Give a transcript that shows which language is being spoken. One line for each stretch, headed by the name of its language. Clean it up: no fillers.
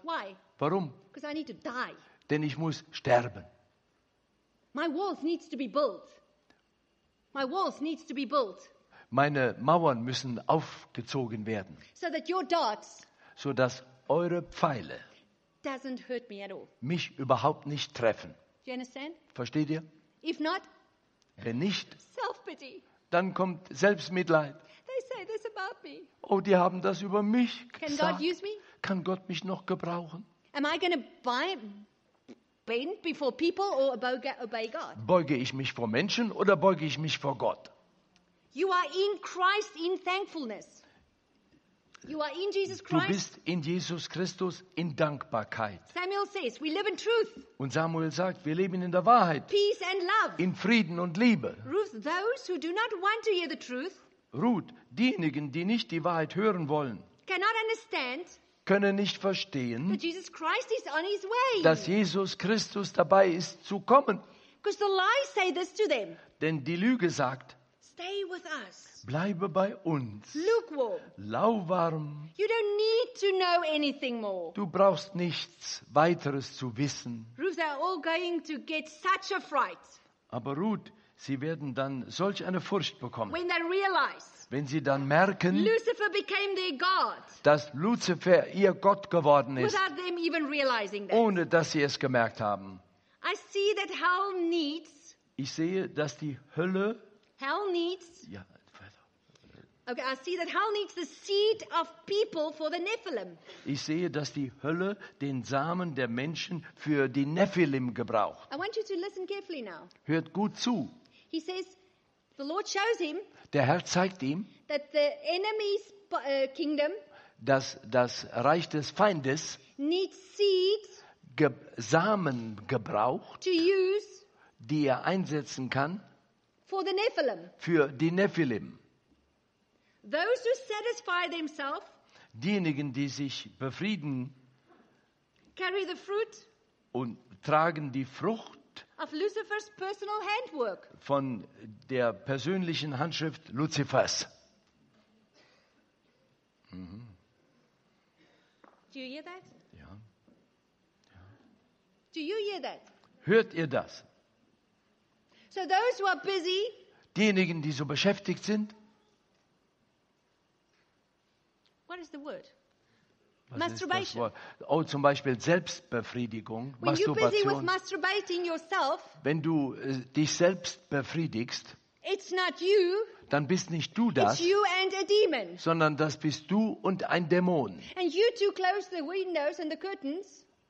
English: Why?
German: Warum?
English: Because I need to die.
German: Denn ich muss sterben.
English: My walls needs to be built. My walls needs to be built.
German: Meine Mauern müssen aufgezogen werden.
English: So that your darts,
German: so dass eure Pfeile
English: doesn't hurt me at all.
German: Mich überhaupt nicht treffen.
English: Do you understand?
German: Versteht ihr?
English: If not,
German: wenn nicht,
English: self-pity.
German: Dann kommt Selbstmitleid.
English: They say this about me.
German: Oh, die haben das über mich
English: can
German: gesagt.
English: God use me?
German: Kann Gott mich noch gebrauchen?
English: Am I gonna bend before people or obey God?
German: Beuge ich mich vor Menschen oder beuge ich mich vor Gott?
English: You are in Christ in thankfulness. You are in Jesus Christ.
German: Du bist in Jesus Christus in Dankbarkeit.
English: Samuel says, we live in truth.
German: Und Samuel sagt, wir leben in der Wahrheit.
English: Peace and love.
German: In Frieden und Liebe.
English: Ruth, those who do not want to hear the truth,
German: Ruth, diejenigen, die nicht die Wahrheit hören wollen,
English: cannot understand,
German: können nicht verstehen,
English: that Jesus Christ is on his way.
German: Dass Jesus Christus dabei ist zu kommen.
English: Because the lies say this to them.
German: Denn die Lüge sagt,
English: stay with us.
German: Bleibe bei uns.
English: Lukewarm.
German: Lauwarm.
English: You don't need to know anything more.
German: Du brauchst nichts weiteres zu wissen.
English: Ruth, they are all going to get such a fright.
German: Aber Ruth, Sie werden dann solch eine Furcht bekommen.
English: When they realize,
German: wenn sie dann merken,
English: Lucifer became their God,
German: dass Lucifer ihr Gott geworden ist,
English: without them even realizing that.
German: Ohne dass sie es gemerkt haben.
English: I see that hell needs,
German: ich sehe, dass die Hölle
English: hell needs,
German: ja,
English: okay, I see that hell needs the seed of people for the Nephilim.
German: Ich sehe, dass die Hölle den Samen der Menschen für die Nephilim gebraucht.
English: I want you to listen carefully now.
German: Hört gut zu.
English: He says, the Lord shows him.
German: Der Herr zeigt ihm,
English: that the enemy's kingdom,
German: dass das Reich des Feindes,
English: needs seeds,
German: Samen gebraucht,
English: to use,
German: die er einsetzen kann,
English: for the Nephilim,
German: für die Nephilim.
English: Those who satisfy themselves,
German: diejenigen, die sich befrieden,
English: carry the fruit,
German: und tragen die Frucht
English: of Lucifer's personal handwork,
German: von der persönlichen Handschrift Luzifers.
English: Mhm. Do you hear that?
German: Ja. Ja.
English: Do you hear that?
German: Hört ihr das?
English: So those who are busy,
German: diejenigen, die so beschäftigt sind,
English: what is the word?
German: Was Masturbation. Oh, zum Beispiel Selbstbefriedigung,
English: when
German: Masturbation.
English: You're busy with masturbating yourself,
German: wenn du dich selbst befriedigst,
English: it's not you,
German: dann bist nicht du das,
English: it's you and a demon,
German: sondern das bist du und ein Dämon.
English: And you two close the windows and the curtains.